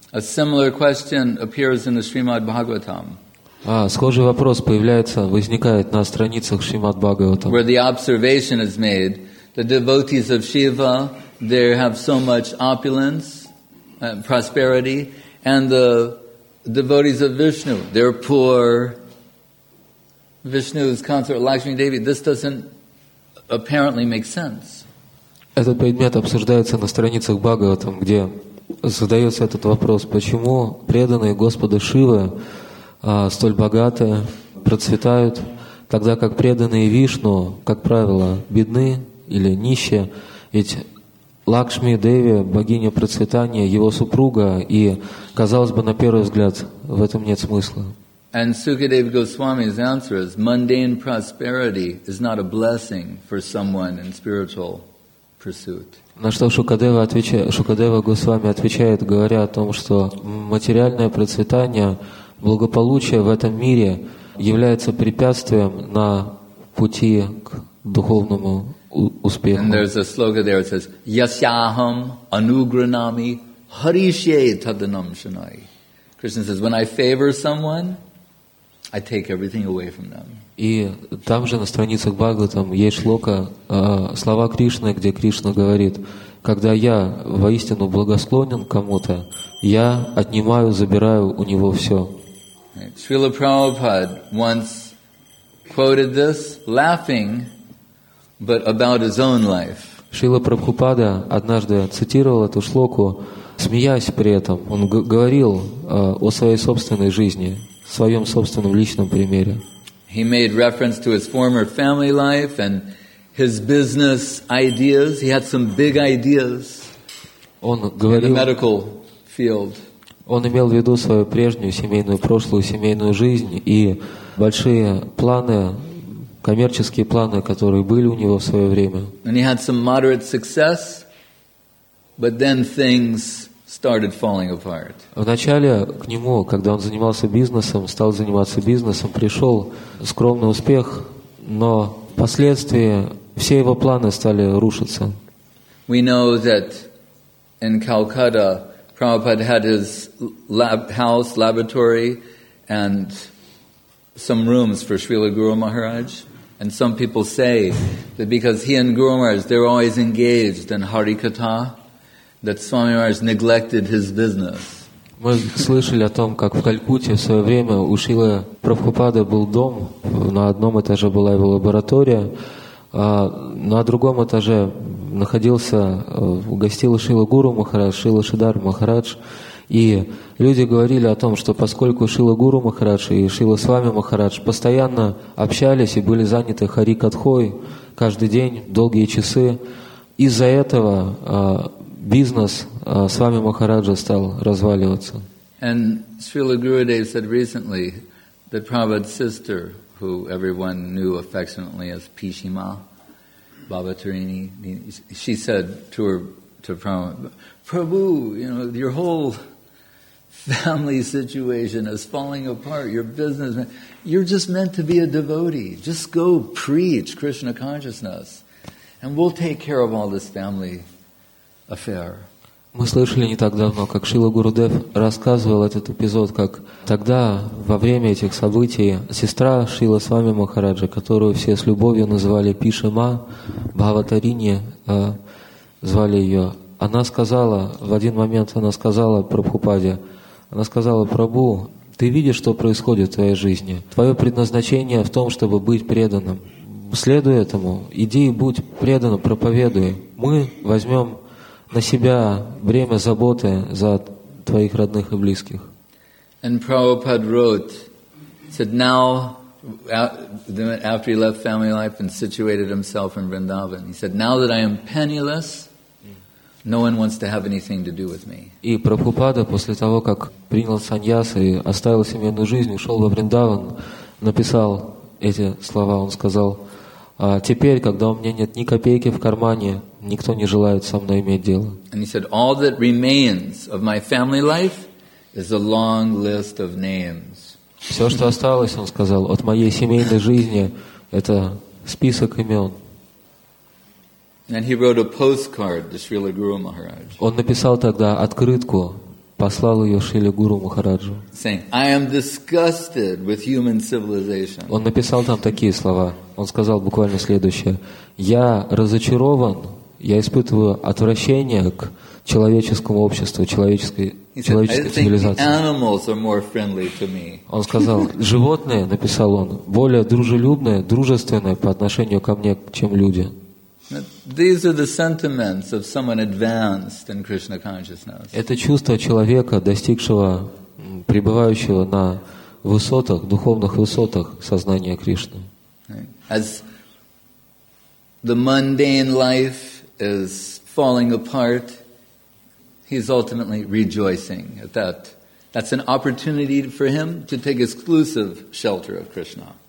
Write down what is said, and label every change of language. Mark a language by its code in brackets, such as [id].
[en] A similar question appears in the Srimad Bhagavatam. [ru] Схожий вопрос возникает на страницах Шримад Бхагаватам. [en] Where the observation is made, the devotees of Shiva, they have so much opulence, prosperity, and the devotees of Vishnu, they're poor. Vishnu's consort Lakshmi Devi, this doesn't apparently make sense. [ru] Этот предмет обсуждается на страницах Бхагаватам, где задается этот вопрос: почему преданные Господа Шивы столь богаты, процветают, Тогда как преданные Вишну, как правило, бедны или нищие, ведь Лакшми Деви, богиня процветания, его супруга, и, казалось бы, на первый взгляд, в этом нет смысла. [en] And Sukadeva Goswami's answer is, mundane prosperity is not a blessing for someone in spiritual pursuit. [ru] На что Шукадева Госвами отвечает, говоря о том, что материальное процветание, благополучие в этом мире является препятствием на пути к духовному успеху. [en] And there's a sloka there, it says, [sa] Yasyaham anugranami harishye tadanam shanai. [en] Krishna says, when I favor someone, I take everything away from them. [ru] И там же на страницах Бхагаватам есть шлока, слова Кришны, где Кришна говорит, когда я воистину благосклонен кому-то, я отнимаю, забираю у него все. [en] Srila Prabhupada once quoted this, laughing, but about his own life. [ru] Srila Prabhupada однажды цитировал эту шлоку, смеясь при этом. Он говорил о своей собственной жизни, в своем собственном личном примере. [en] He made reference to his former family life and his business ideas. He had some big ideas in the medical field. [ru] Он имел в виду свою прежнюю семейную, прошлую семейную жизнь и большие планы, коммерческие планы, которые были у него в свое время. [en] And he had some moderate success, but then things started falling apart. [ru] Вначале к нему, когда он занимался бизнесом, стал заниматься бизнесом, пришел скромный успех, но впоследствии все его планы стали рушиться. [en] We know that in Calcutta, Prabhupada had his lab house, laboratory, and some rooms for Srila Guru Maharaj. And some people say that because he and Guru Maharaj, they're always engaged in Harikatha, that Swami Maharaj neglected his business. [ru] Мы слышали о том, как в Калькутте в свое время у Шрилы Прабхупады был дом, на одном этаже была его лаборатория, а на другом этаже находился, гостил Шрила Гуру Махарадж, Шрила Шридхар Махарадж. И люди говорили о том, что поскольку Шрила Гуру Махарадж и Шрила Свами Махарадж постоянно общались и были заняты харикатхой каждый день, долгие часы, из-за этого бизнес Свами Махараджа стал разваливаться. [en] And Srila Gurudev said recently that Prabhupada's sister, who everyone knew affectionately as Pishima, Bhavatarini, she said to her, to Prabhupada, Prabhu, you know, your whole family situation is falling apart, your business, you're just meant to be a devotee. Just go preach Krishna consciousness and we'll take care of all this family. [ru] Мы слышали не так давно, как Шрила Гурудев рассказывал этот эпизод, как тогда, во время этих событий, сестра Шрила Свами Махараджа, которую все с любовью называли Пишима, Бхаватарини, звали ее, она сказала, в один момент она сказала Прабхупаде, она сказала, «Прабу, ты видишь, что происходит в твоей жизни? Твое предназначение в том, чтобы быть преданным. Следуй этому, иди и будь преданным, проповедуй. Мы возьмем на себя бремя заботы за твоих родных и близких». [en] And Prabhupada wrote, said now, after he left family life and situated himself in Vrindavan, he said, now that I am penniless, no one wants to have anything to do with me. [ru] И Прабхупада, после того, как принял саньяса и оставил семейную жизнь, ушел во Вриндаван, написал эти слова, он сказал, а теперь, когда у меня нет ни копейки в кармане, никто не желает со мной иметь дело. [en] And he said, all that remains of my family life is a long list of names. [ru] Все, что осталось, он сказал, от моей семейной жизни, это список имен. [en] And he wrote a postcard to Srila Guru Maharaj. [ru] Он написал тогда открытку, послал ее Шриле Гуру Махараджу. [en] Saying, I am disgusted with human civilization. [ru] Он написал там такие слова. Он сказал буквально следующее. Я разочарован, я испытываю отвращение к человеческому обществу, человеческой цивилизации. [en] Animals are more friendly to me. [ru] Он сказал, животные, написал он, более дружелюбные, дружественные по отношению ко мне, чем люди. [en] These are the sentiments of someone advanced in Krishna consciousness. [ru] Это чувство человека, достигшего, пребывающего на высотах, духовных высотах сознания Кришны. [en] Right? As the mundane life is falling apart, he's ultimately rejoicing at that. That's an opportunity for him to take exclusive shelter of Krishna.